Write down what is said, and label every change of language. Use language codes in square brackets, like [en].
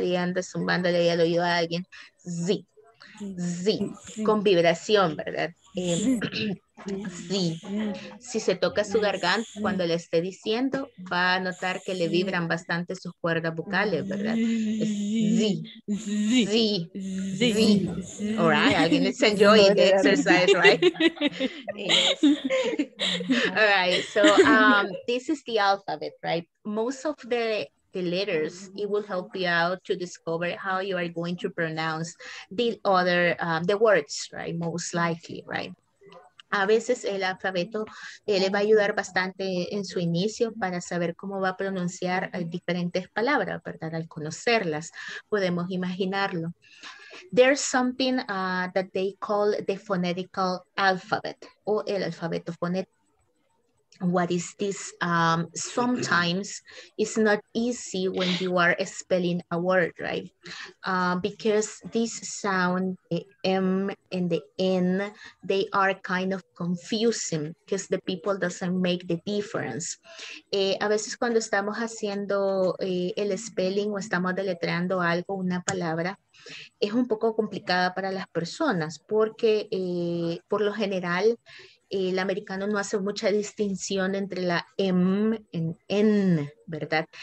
[es] Y anda zumbándole al oído a alguien. Sí, sí, con vibración, ¿verdad? Sí, si se toca su garganta cuando le esté diciendo, va a notar que le vibran bastante sus cuerdas vocales, ¿verdad? Sí, sí, sí, sí. [en] All right, alguien is enjoying the exercise, right? All right, so this is the alphabet, right? Most of the letters, it will help you out to discover how you are going to pronounce the other, the words, right? Most likely, right? [es] A veces el alfabeto le va a ayudar bastante en su inicio para saber cómo va a pronunciar diferentes palabras, ¿verdad? Al conocerlas, podemos imaginarlo. [en] There's something that they call the phonetical alphabet [es] o el alfabeto fonético. [en] What is this? Sometimes it's not easy when you are spelling a word, right? Because this sound, the M and the N, they are kind of confusing because the people doesn't make the difference. [es] A veces cuando estamos haciendo el spelling o estamos deletreando algo, una palabra, es un poco complicada para las personas porque por lo general, el americano no hace mucha distinción entre la M y N, ¿verdad?